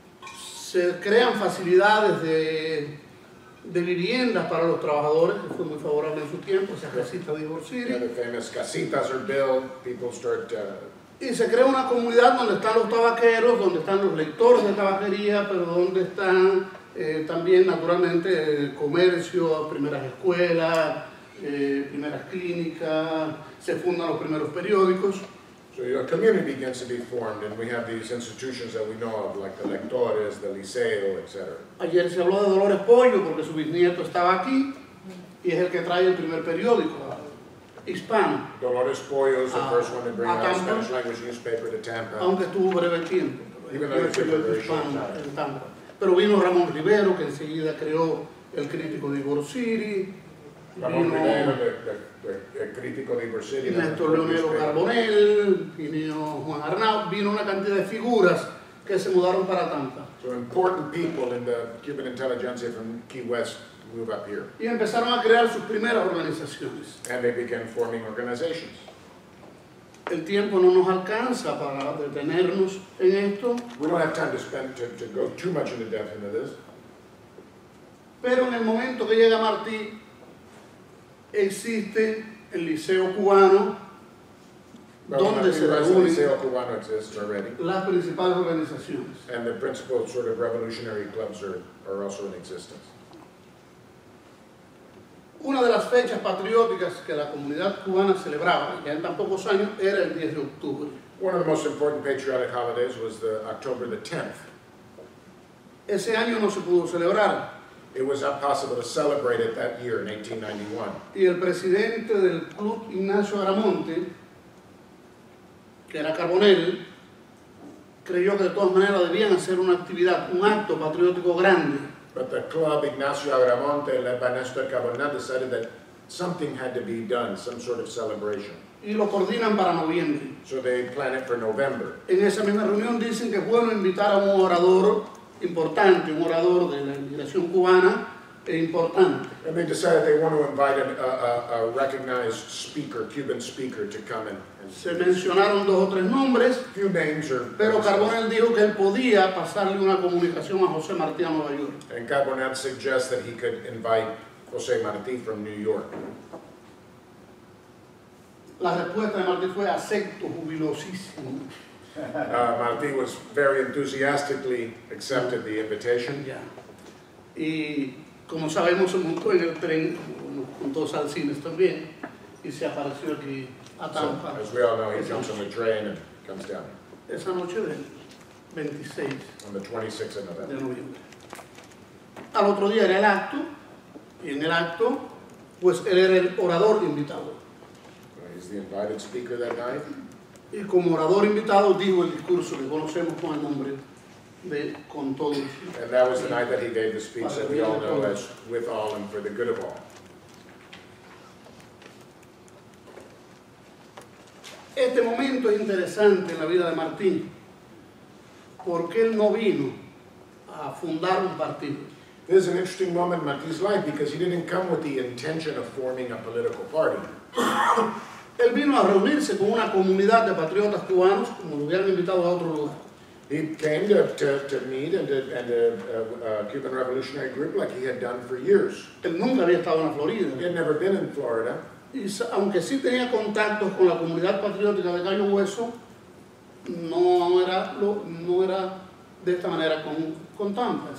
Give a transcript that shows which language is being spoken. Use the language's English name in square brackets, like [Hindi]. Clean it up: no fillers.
[Spanish] Se crean facilidades de viviendas para los trabajadores, que fue muy favorable en su tiempo, esa casita de Ybor City. [English] Yeah, the famous casitas are built, people start [Spanish] Y se crea una comunidad donde están los tabaqueros, donde están los lectores de tabaquería, pero donde están también, naturalmente, el comercio, primeras escuelas, primeras clínicas, se fundan los primeros periódicos. [English] So a community begins to be formed, and we have these institutions that we know of, like the lectores, the liceo, etc. [Spanish] Ayer se habló de Dolores Pollo, porque su bisnieto estaba aquí, y es el que trae el primer periódico. Hispano. [English] Dolores Pollo is the first one to bring out a Spanish language newspaper to Tampa. [Spanish] Aunque tuvo breve tiempo. [English] Even though it took a very short time. [Spanish] En Tampa. Pero vino Ramón Rivero, que enseguida creó el crítico de Ybor City. Ramón Rivero, el crítico de Ybor City. Néstor Leonero Carbonell, vino Juan Arnau, vino una cantidad de figuras que se mudaron para Tampa. [English] So important people in the Cuban intelligentsia from Key West move up here. [Spanish] Y empezaron a crear sus primeras organizaciones. [English] And they began forming organizations. [Spanish] El tiempo no nos alcanza para detenernos en esto. [English] We don't have time to spend to go too much into depth into this. [Spanish] Pero en el momento que llega Martí, existe el Liceo Cubano, donde se reúnen las principales organizaciones. [English] And the principal sort of revolutionary clubs are also in existence. [Spanish] Una de las fechas patrióticas que la comunidad cubana celebraba, ya en tan pocos años, era el 10 de octubre. [English] One of the most important patriotic holidays was the October the 10th. [Spanish] Ese año no se pudo celebrar. [English] It was not possible to celebrate it that year in 1891. [Spanish] Y el presidente del club, Ignacio Agramonte, que era Carbonell, creyó que de todas maneras debían hacer una actividad, un acto patriótico grande. [English] But the club, Ignacio Agramonte, led by Néstor Carbonell, decided that something had to be done, some sort of celebration. [Spanish] Y lo coordinan para noviembre. [English] So they plan it for November. [Spanish] En esa misma reunión dicen que pueden invitar a un orador importante, un orador de la inmigración cubana e importante. [English] And they decided they want to invite a recognized speaker, Cuban speaker, to come in. [Spanish] Se mencionaron dos o tres nombres, [English] few names are, [Spanish] pero Carbonell dijo que él podía pasarle una comunicación a José Martí a Nueva York. [English] And Carbonell suggests that he could invite José Martí from New York. [Spanish] La respuesta de Martí fue acepto jubilosísimo. [English] Martí was very enthusiastically accepted the invitation. Yeah. [Spanish] Y como sabemos, se montó en el tren con todos al cine también y se apareció aquí. [English] So, as we all know, he jumps on the train and comes down. [Spanish] Esa noche del 26. [English] On the 26th of November. [Spanish] De noviembre. Al otro día era el acto, y en el acto, pues él era el orador invitado. [English] He's the invited speaker that night. [Spanish] Y como orador invitado dijo el discurso que conocemos con el nombre de con todos. [English] And that was the night that he gave the speech that we all know as with all and for the good of all. [Spanish] Este momento es interesante en la vida de Martín, porque él no vino a fundar un partido. [English] This is an interesting moment in Martín's life because he didn't come with the intention of forming a political party. [Spanish] Él vino a reunirse con una comunidad de patriotas cubanos como lo hubieran invitado a otro lugar. [English] He came to meet a Cuban revolutionary group like he had done for years. [Spanish] Él nunca había estado en Florida. [English] He had never been in Florida. [Spanish] Y aunque sí tenía contactos con la comunidad patriótica de Cayo Hueso, no era de esta manera con Tampa.